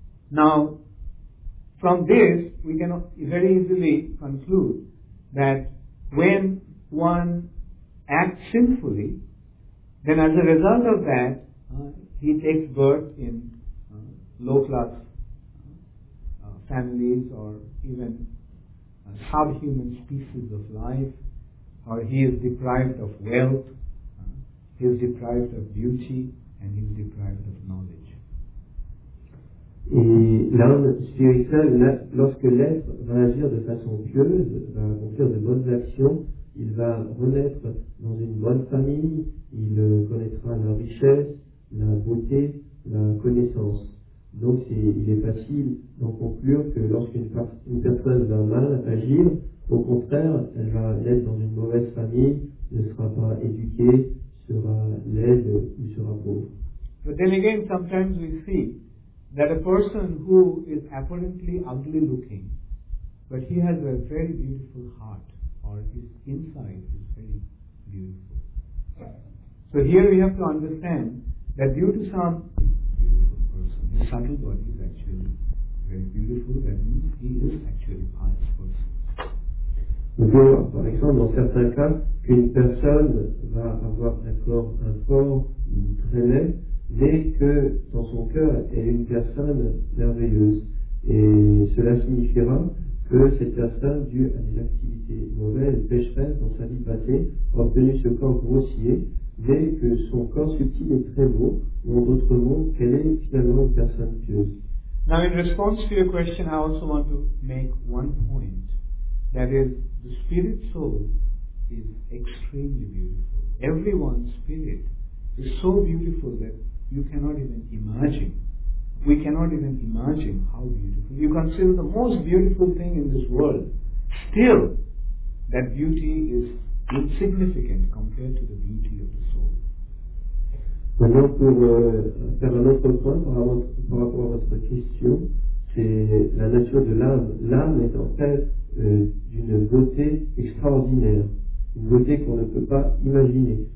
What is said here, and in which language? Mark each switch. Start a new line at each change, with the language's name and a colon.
English: Now, from this, we can very easily conclude that when one acts sinfully, then as a result of that, he takes birth in low-class families, or even subhuman species of life, or he is deprived of wealth, he is deprived of beauty, and he is deprived of knowledge.
French: Et l'âme spirituelle, lorsque l'être va agir de façon pieuse, va accomplir de bonnes actions, il va renaître dans une bonne famille, il connaîtra la richesse, la beauté, la connaissance. Donc il est facile d'en conclure que lorsqu'une personne va mal agir, au contraire, elle va être dans une mauvaise famille, ne sera pas éduquée, sera laide ou sera pauvre.
English: But then again, sometimes we see that a person who is apparently ugly looking, but he has a very beautiful heart, or his inside is very beautiful. So here we have to understand that due to some beautiful person, his subtle body is actually very beautiful, that means he is actually a pious person.
French: On peut voir, par exemple, dans certains cas, qu'une personne va avoir un corps fort, très laid, mais que dans son cœur, elle est une personne merveilleuse. Et cela signifiera que cette personne, due à des activités mauvaises, pécherait dans sa vie passée, a obtenu ce corps grossier, mais que son corps subtil est très beau, ou en d'autres mots, qu'elle est finalement une personne pieuse.
English: Now, in response to your question, I also want to make one point. That is, the spirit soul is extremely beautiful. Everyone's spirit is so beautiful that you cannot even imagine. We cannot even imagine how beautiful. You consider the most beautiful thing in this world, still, that beauty is insignificant compared to the beauty of the soul.
French: Maintenant, pour faire un autre point par rapport à votre question, c'est la nature de l'âme. L'âme est en fait d'une beauté extraordinaire, une beauté qu'on ne peut pas imaginer.